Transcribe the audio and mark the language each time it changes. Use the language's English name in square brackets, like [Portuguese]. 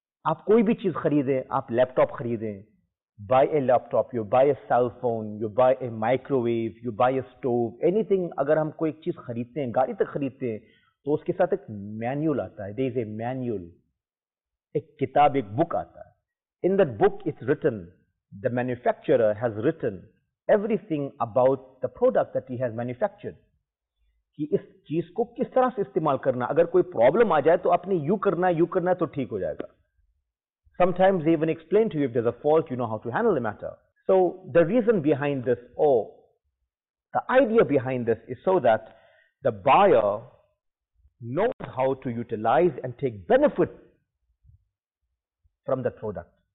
[Hindi] आप कोई भी चीज खरीदें, आप लैपटॉप खरीदें, [English] buy a laptop, you buy a cell phone, you buy a microwave, you buy a stove, anything, [Hindi] अगर हम कोई एक चीज खरीदते हैं, गाड़ी तक खरीदते हैं, तो उसके साथ एक मैनुअल आता है. [English] There is a manual, [Hindi] एक किताब, एक बुक आता है. [English] In that book it's written, the manufacturer has written everything about the product that he has manufactured. [Hindi] कि इस चीज को किस तरह से इस्तेमाल करना, अगर कोई प्रॉब्लम आ जाए तो आपने यू करना है तो ठीक हो जाएगा. [English] Sometimes they even explain to you if there's a fault, you know how to handle the matter. So the reason behind this, or the idea behind this, is so that the buyer knows how to utilize and take benefit from the product.